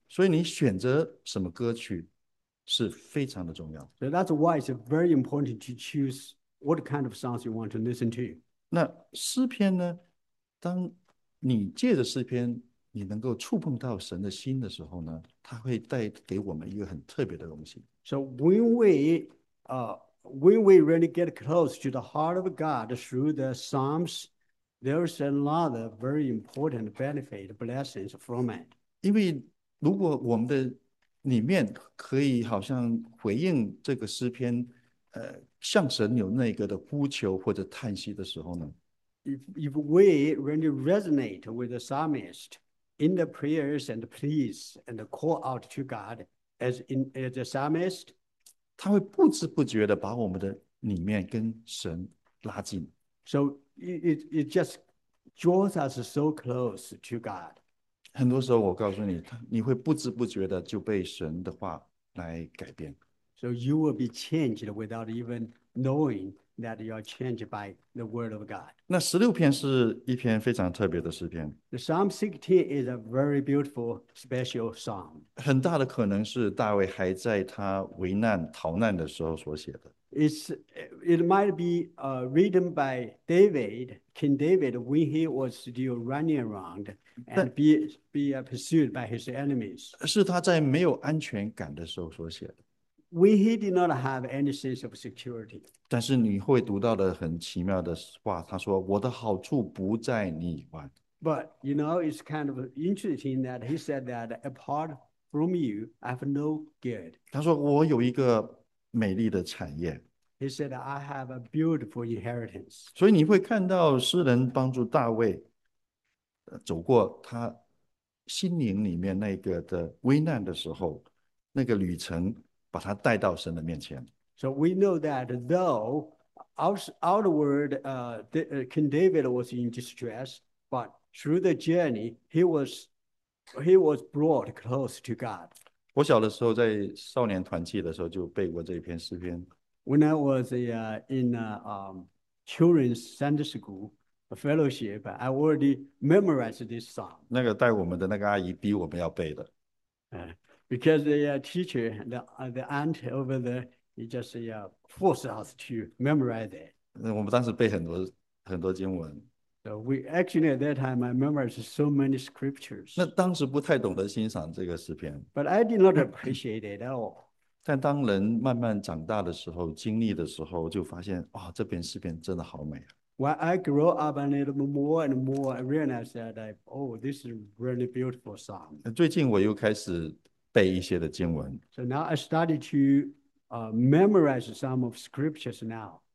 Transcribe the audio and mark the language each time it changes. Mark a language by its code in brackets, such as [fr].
[zh] 所以你选择什么歌曲是非常的重要。 [en] So that's why it's very important to choose what kind of songs you want to listen to. [zh] 那诗篇呢，当你借着诗篇你能够触碰到神的心的时候呢，它会带给我们一个很特别的东西。 [en] So when we really get close to the heart of God through the Psalms, there's a lot of very important benefit, blessings from it. [zh] 因为如果我们的里面可以好像回应这个诗篇，向神有那个的呼求或者叹息的时候呢 [en] ，if we really resonate with the psalmist in the prayers and pleas and call out to God. As a psalmist, [zh] 他会不知不觉地把我们的里面跟神拉近。 [en] So it just draws us so close to God. [zh] 很多时候我告诉你，你会不知不觉地就被神的话来改变。 [en] So you will be changed without even knowing that you are changed by the word of God. [zh] 那十六篇是一篇非常特别的诗篇。 [en] The Psalm 16 is a very beautiful, special psalm. [zh] 很大的可能是大卫还在他危难、逃难的时候所写的。 [en] It might be written by David, King David, when he was still running around and be pursued by his enemies. [zh] 是他在没有安全感的时候所写的。 [en] When he did not have any sense of security. [zh] 但是你会读到的很奇妙的话，他说：“我的好处不在你以外。” [en] But you know, it's kind of interesting that he said that apart from you, I have no good. [zh] 他说：“我有一个。” 美丽的产业。 [en] He said, I have a beautiful inheritance. [zh] 所以你会看到诗人帮助大卫走过他心灵里面那个的危难的时候，那个旅程把他带到神的面前。 [en] So we know that though outward, King David was in distress, but through the journey, he was brought close to God. [zh] 我小的时候，在少年团契的时候就背过这一篇诗篇。 [en] When I was in children's Sunday school fellowship, I already memorized this song. [zh] 那个带我们的那个阿姨逼我们要背的。 [en] Because the teacher, the aunt over there, he just forced us to memorize it. [zh] 那我们当时背很多很多经文。 [en] So we actually at that time I memorized so many scriptures. [zh] 那当时不太懂得欣赏这个诗篇。 [en] But I did not appreciate it at all. [zh] 但当人慢慢长大的时候，经历的时候，就发现哇，这篇诗篇真的好美啊。 [en] When I grow up a little more and more, I realize that this is a really beautiful song. [zh] 最近我又开始背一些的经文。 [en] So now I started to memorize some of scriptures now.